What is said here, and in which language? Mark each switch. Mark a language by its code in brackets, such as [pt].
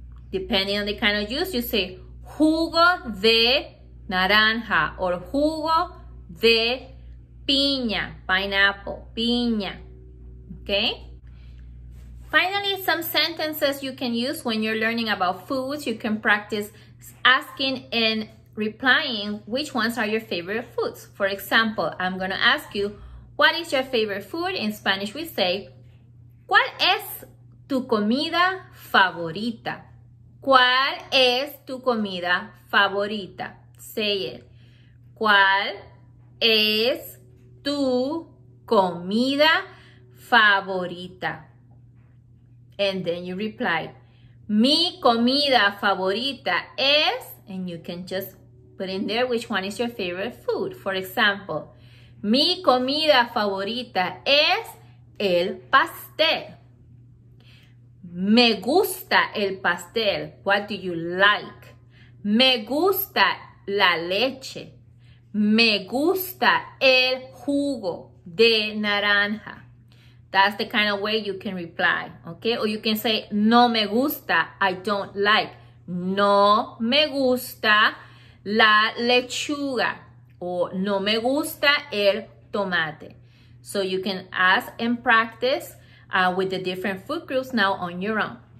[en] Depending on the kind of juice, you say [es] jugo de naranja [en] or [es] jugo de piña, [en] pineapple, piña. Okay, finally, some sentences you can use when you're learning about foods. You can practice asking and replying which ones are your favorite foods. For example, I'm gonna ask you, what is your favorite food? In Spanish we say, [es] ¿cuál es tu comida favorita? ¿Cuál es tu comida favorita? [en] Say it. [es] ¿Cuál es tu comida favorita? [en] And then you reply, [es] mi comida favorita es, [en] and you can just put in there which one is your favorite food. For example, [es] mi comida favorita es el pastel. Me gusta el pastel. [en] What do you like? [es] Me gusta la leche. Me gusta el jugo de naranja. [en] That's the kind of way you can reply, okay? Or you can say, [es] no me gusta, [en] I don't like. [es] No me gusta la lechuga. O no me gusta el tomate. [en] So you can ask and practice with the different food groups now on your own.